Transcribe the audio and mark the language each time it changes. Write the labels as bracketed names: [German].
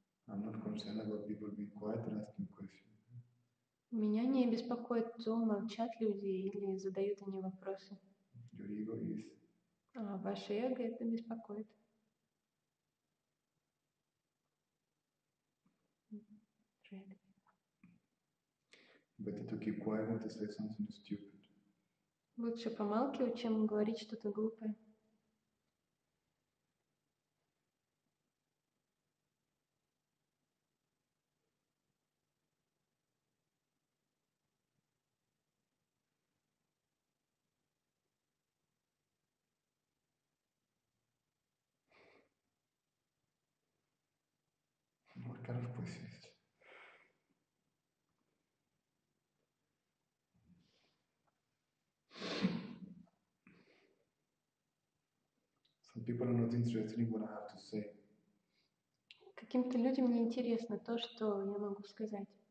[English] I'm not concerned about people being quiet and asking questions. [Russian] Меня не беспокоит, что молчат люди или задают они вопросы. [English] Your ego is. [Russian] А ваше эго это беспокоит. [English] Better to keep quiet than to say something stupid. [Russian] Лучше помалкивать, чем говорить что-то глупое. [English] Kind of questions. Some people are not interested in what I have to say. [Russian] Каким-то людям не интересно то, что я могу сказать.